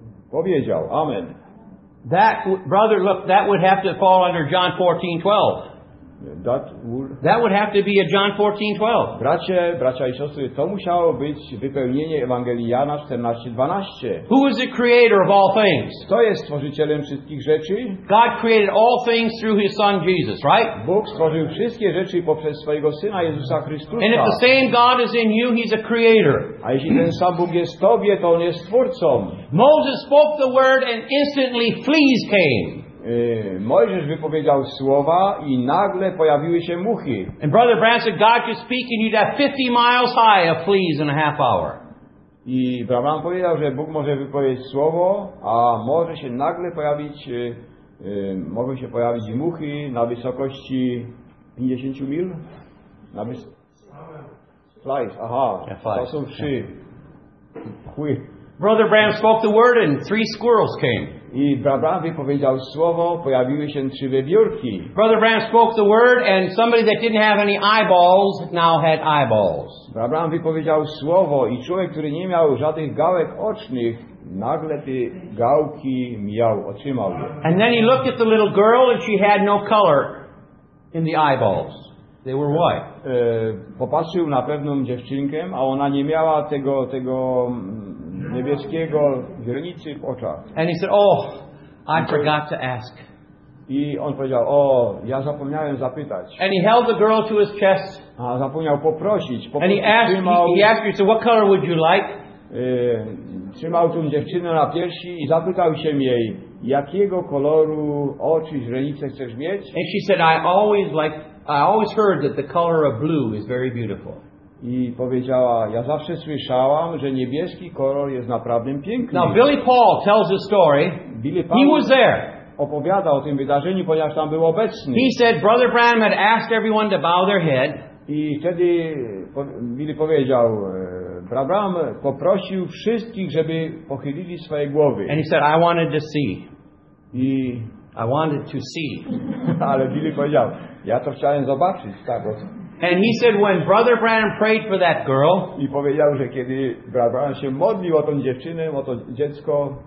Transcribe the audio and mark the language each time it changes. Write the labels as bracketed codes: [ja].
[pl] Powiedział. Amen. [en] That brother, look, that would have to fall under John 14:12. That would have to be a John 14:12. [pl] Bracia i siostry, to musiało być wypełnienie Ewangelii Jana 14:12. [en] Who is the creator of all things? [pl] Kto jest stworzycielem wszystkich rzeczy? [en] God created all things through his son Jesus, right? [pl] Bóg stworzył wszystkie rzeczy poprzez swojego syna Jezusa Chrystusa. [en] And if the same God is in you, he's a creator. [pl] A jeśli ten sam Bóg jest w tobie, to on jest twórcą. [en] Moses spoke the word and instantly fleas came. [pl] Mojżesz wypowiedział słowa i nagle pojawiły się muchy. [en] And brother Branson, God could speak and you'd have 50 miles high of fleas in a half hour. [pl] I Branson powiedział, że Bóg może wypowiedzieć słowo, a może się nagle pojawić, mogą się pojawić muchy na wysokości 50 mil. [en] Na flies. Aha, yeah, flies. [pl] To są trzy. [en] Yeah. Brother Bram spoke the word and three squirrels came. [pl] I Bram wypowiedział słowo, pojawiły się trzy wiewiórki. [en] Brother Bram spoke the word and somebody that didn't have any eyeballs now had eyeballs. [pl] Bram wypowiedział słowo i człowiek, który nie miał żadnych gałek ocznych, nagle te gałki miał, otrzymał je. [en] And then he looked at the little girl and she had no color in the eyeballs. They were white. [pl] Popatrzył na pewną dziewczynkę, a ona nie miała tego niebieskiego granicy w oczach. [en] And he said, oh, I forgot to ask. [pl] I on powiedział, o, ja zapomniałem zapytać. [en] And he held the girl to his chest. [pl] A zapomniał poprosić. [en] And he asked her, so what color would you like? [pl] Trzymał tą dziewczynę na piersi i zapytał się jej, jakiego koloru oczy, źrenice chcesz mieć? [en] And she said, I always heard that the color of blue is very beautiful. [pl] I powiedziała, ja zawsze słyszałam, że niebieski kolor jest naprawdę piękny. [en] Now Billy Paul tells a story. Billy Paul, he was there. [pl] Opowiada o tym wydarzeniu, ponieważ tam był obecny. [en] He said Brother Branham had asked everyone to bow their head. [pl] I wtedy Billy powiedział, Brother Branham poprosił wszystkich, żeby pochylili swoje głowy. [en] And he said, I wanted to see. I I wanted to see. [pl] Ale Billy powiedział, ja to chciałem zobaczyć, tak. [en] And he said when Brother Branham prayed for that girl, [pl] i powiedział, że kiedy Brother Branham się modlił o tą dziewczynę, o to dziecko,